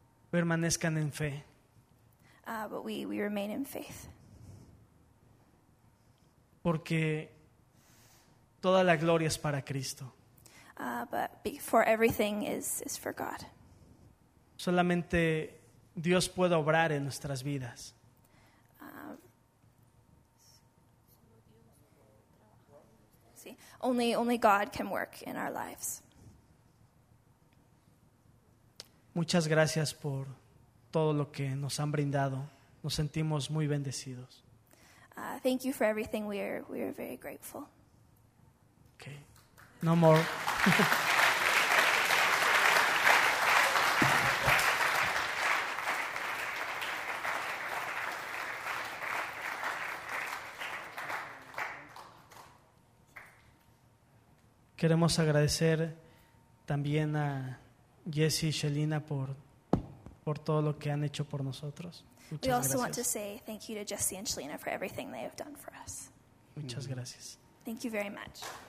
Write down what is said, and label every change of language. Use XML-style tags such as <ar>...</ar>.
<es>Permanezcan en fe.</es> <en>But we remain in faith.</en> <es>Porque toda la gloria es para Cristo.</es> <en>But for everything is for God.</en> <es>Solamente Dios puede obrar en nuestras vidas.</es> <en>Only God can work in our lives.</en> <es>Muchas gracias por todo lo que nos han brindado. Nos sentimos muy bendecidos.</es> <en>Thank you for everything. We are very grateful. Okay. No more.</en> <es>Queremos agradecer también a Jesse y Shelina por todo lo que han hecho por nosotros. Muchas gracias.</es> <en>We also want to say thank you to Jesse and Shelina for everything they have done for us.</en> <es>Muchas gracias.</es> <en>Thank you very much.</en>